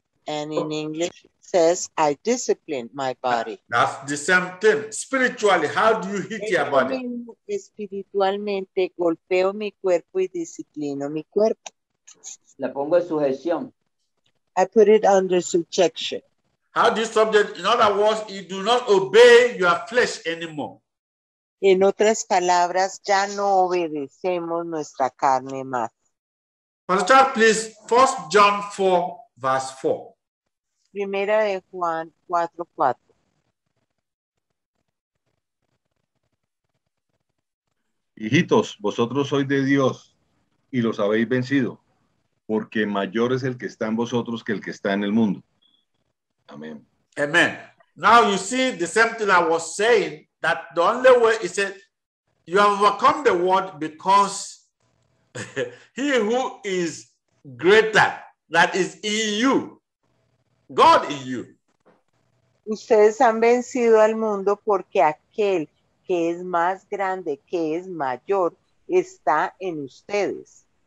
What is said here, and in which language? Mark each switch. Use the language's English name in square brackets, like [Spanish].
[English] And in English, it says I discipline my body. That's the same thing. Spiritually, how do you hit your body? [Spanish] Espiritualmente, golpeo mi cuerpo y disciplino mi cuerpo. La pongo en sujeción. [English] I put it under subjection. How do you subject? In other words, you do not obey your flesh anymore. [Spanish] En otras palabras, ya no obedecemos nuestra carne más. [English] Pastor, please, 1 John 4, verse 4. [Spanish] Primera de Juan 4, 4. Hijitos, vosotros sois de Dios y los habéis vencido, porque mayor es el que está en vosotros que el que está en el mundo. Amén. Amén. [English] Now you see the same thing I was saying, that the only way, he said, you have overcome the world because he who is greater, that is in you, God in you. [Spanish] Ustedes han vencido al mundo porque aquel que es más grande, que es mayor, está en ustedes.